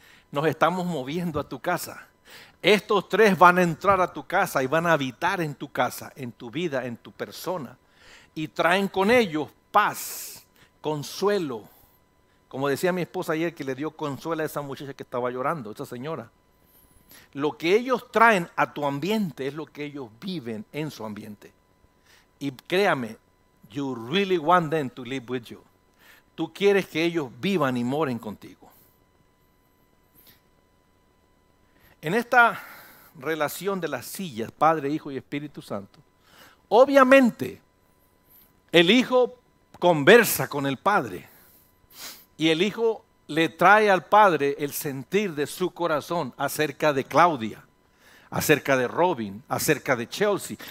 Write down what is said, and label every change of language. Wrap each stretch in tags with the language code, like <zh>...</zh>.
<es>Nos estamos moviendo a tu casa. Estos tres van a entrar a tu casa y van a habitar en tu casa, en tu vida, en tu persona. Y traen con ellos paz, consuelo. Como decía mi esposa ayer, que le dio consuelo a esa muchacha que estaba llorando, esa señora. Lo que ellos traen a tu ambiente es lo que ellos viven en su ambiente. Y créame,</es> <en>you really want them to live with you.</en> <es>Tú quieres que ellos vivan y moren contigo. En esta relación de las sillas, Padre, Hijo y Espíritu Santo, obviamente el Hijo conversa con el Padre y el Hijo le trae al Padre el sentir de su corazón acerca de Claudia, acerca de Robin, acerca de Chelsea.</es>